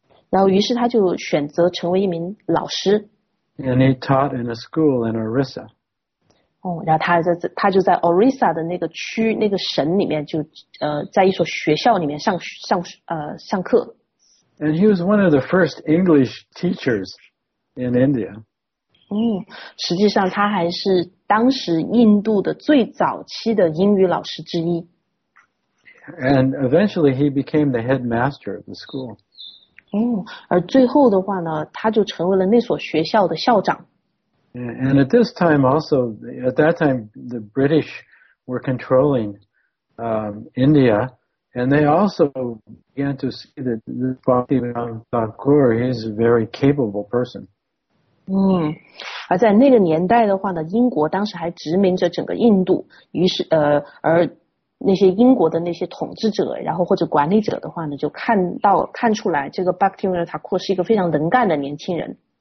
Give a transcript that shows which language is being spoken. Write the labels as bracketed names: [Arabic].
[Chinese] 然后于是他就选择成为一名老师。 [English] And he taught in a school in Orissa. [Chinese] 然后他就在 Orissa 的那个区那个省里面就在一所学校里面上课。 [English] And he was one of the first English teachers in India. [Chinese] 实际上他还是当时印度的最早期的英语老师之一。 [English] And eventually he became the headmaster of the school. [Chinese] 而最后的话呢，他就成为了那所学校的校长。 [English] And at this time also, at that time, the British were controlling India, and they also began to see that Bhaktivinoda Thakur is a very capable person. [Chinese] 而在那个年代的话呢，英国当时还殖民着整个印度，于是而那些英国的那些统治者，然后或者管理者的话呢，就看出来这个 Bhaktivinoda Thakur 是一个非常能干的年轻人。